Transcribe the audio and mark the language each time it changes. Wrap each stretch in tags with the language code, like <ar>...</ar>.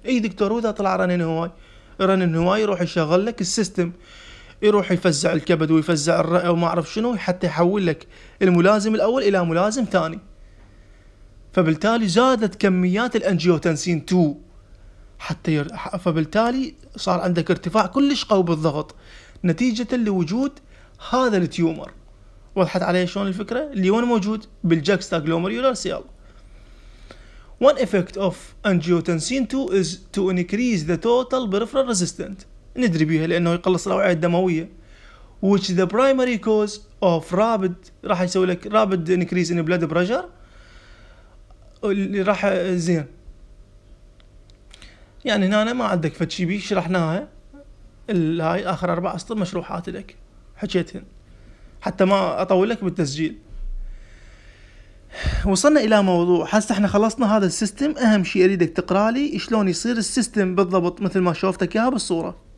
<ar>اي دكتور، هو ذا طلع رنين هواي، رنين هواي يروح يشغل لك السيستم، يروح يفزع الكبد ويفزع الرئة وما اعرف شنو، حتى يحول لك الملازم الاول الى ملازم ثاني، فبالتالي زادت كميات الانجيوتنسين 2 حتى فبالتالي صار عندك ارتفاع كلش قوي بالضغط نتيجة لوجود هذا التيومر. وضحت علي شلون الفكرة؟ اللي وين موجود؟ بالجاكستا جلوميرولار سيل.</ar> <en>One effect of angiotensin 2 is to increase the total peripheral resistance.</en> <ar>ندري بيها لأنه يقلص الأوعية الدموية.</ar> <en>Which the primary cause of rapid،</en> <ar>راح يسوي لك</ar> <en>rapid increase in blood pressure.</en> <ar>راح زين. يعني هنا أنا ما عندك فتشي بي، شرحناها. هاي آخر أربع أسطر مشروحات لك. حكيتهن. حتى ما أطول لك بالتسجيل. وصلنا الى موضوع هسه احنا خلصنا هذا السيستم، اهم شيء اريدك تقرا لي شلون يصير السيستم بالضبط مثل ما شوفتك اياها بالصوره.</ar>